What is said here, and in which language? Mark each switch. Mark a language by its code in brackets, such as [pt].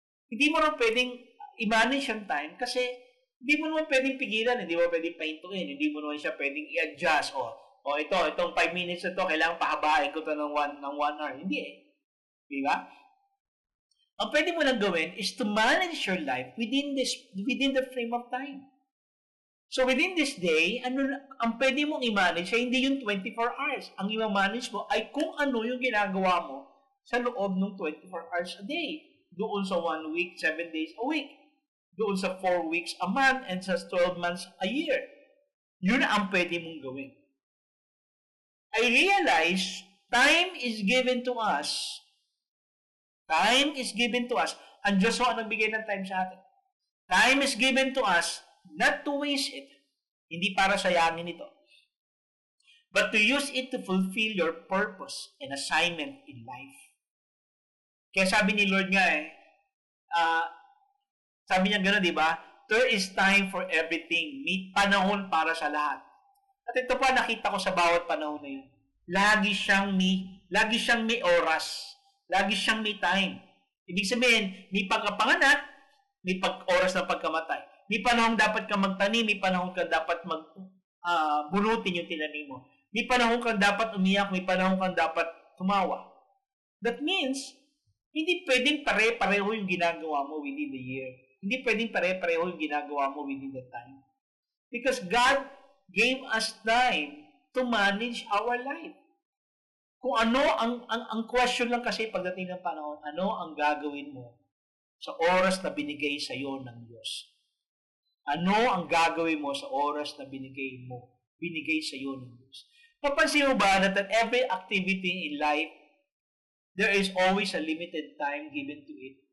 [tl] Hindi mo naman pwedeng i-manage yung time kasi hindi mo naman pwedeng pigilan, hindi mo pwedeng paintuin, hindi mo naman siya pwedeng i-adjust o itong 5 minutes na to, kailangan pahabain ko to ng one hour. Hindi eh. Diba? Ang pwede mo lang gawin [en] is to manage your life within the frame of time. So within this day, [tl] ang pwede mong i-manage ay hindi yung 24 hours. Ang i-manage mo ay kung ano yung ginagawa mo sa loob ng [en] 24 hours a day. [tl] Doon sa [en] 1 week, 7 days a week. Doon sa 4 weeks a month and sa 12 months a year. [tl] Yun ang pwede mong gawin. [en] I realize time is given to us. Time is given to us. [tl] Ang Diyos ho ang nagbigay ng time sa atin. [en] Time is given to us not to waste it. [tl] Hindi para sayangin ito. [en] But to use it to fulfill your purpose and assignment in life. [tl] Kaya sabi ni Lord nga sabi niya gano'n, di ba? [en] There is time for everything. [tl] May panahon para sa lahat. At ito pa, nakita ko sa bawat panahon na yun. Lagi siyang may oras. Lagi siyang may time. Ibig sabihin, may pagkapanganak, may oras ng pagkamatay. May panahon dapat ka magtanim, may panahon ka dapat bunutin yung tinanim mo. May panahon ka dapat umiyak, may panahon ka dapat tumawa. [en] That means, [tl] hindi pwedeng pare-pareho yung ginagawa mo [en] within the year. [tl] Hindi pwedeng pare-pareho yung ginagawa mo [en] within the time. Because God gave us time to manage our life. [tl] Kung ano ang question lang kasi pagdating ng panahon, ano ang gagawin mo sa oras na binigay sa iyo ng Diyos? Ano ang gagawin mo sa oras na binigay sa iyo ng Diyos? Napansin mo ba na [en] that every activity in life, there is always a limited time given to it?